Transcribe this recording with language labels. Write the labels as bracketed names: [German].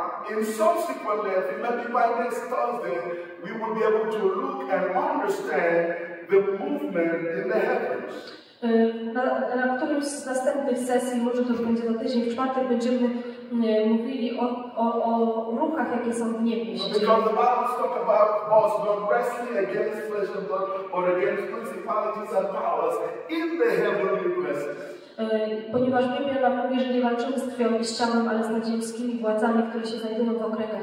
[English] In subsequent life, maybe by next Thursday, we will be able to look and understand the movement in the heavens. [Polish] Na którymś z następnych sesji, może to już będzie na tydzień, w czwartek będziemy mówili o ruchach, jakie są w niebie. [English] Because the Bible talks about us not wrestling against flesh and blood, but against principalities and powers in the heavenly places. [Polish] Ponieważ Biblia nam mówi, że nie walczymy z krwią i z ciałem, ale z nadziemskimi władzami, które się znajdują w okręgach